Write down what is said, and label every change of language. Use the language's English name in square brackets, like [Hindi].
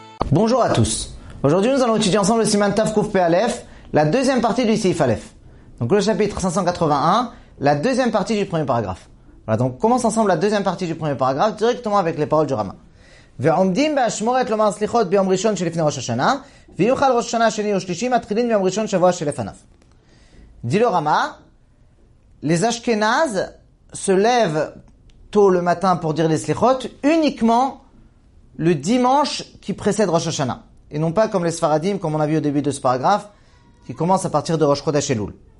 [French] Bonjour à tous. Aujourd'hui, nous allons étudier ensemble le Siman Tav Kouf Pe'alef, la deuxième partie du Seif Alef. Donc le chapitre 581, la deuxième partie du premier paragraphe. Voilà, donc on commence ensemble la deuxième partie du premier paragraphe directement avec les paroles du Rama. [Hebrew] ועומדים באשמורת לומר סליחות ביום ראשון שלפני ראש השנה, ויוכל ראש השנה השני או שלישי, מתחילים ביום ראשון שבוע שלפניו. [French] Dit le Rama, les Ashkenazes se lèvent tôt le matin pour dire les slichot uniquement le dimanche qui précède Rosh Hashanah. Et non pas comme les Sfaradim, comme on a vu au début de ce paragraphe, qui commence à partir de Rosh Chodesh Elul.